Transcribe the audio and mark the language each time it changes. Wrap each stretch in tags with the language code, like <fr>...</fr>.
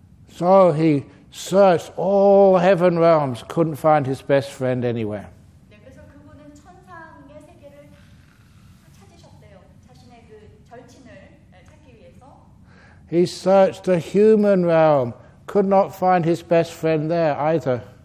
<en>So he searched all heaven realms, couldn't find his best friend anywhere.</en> <ko>네, 그래서 그분은 천상의 세계를 찾으셨대요. 자신의 그 절친을 찾기 위해서.</ko> <en>He searched the human realm, could not find his best friend there either.</en>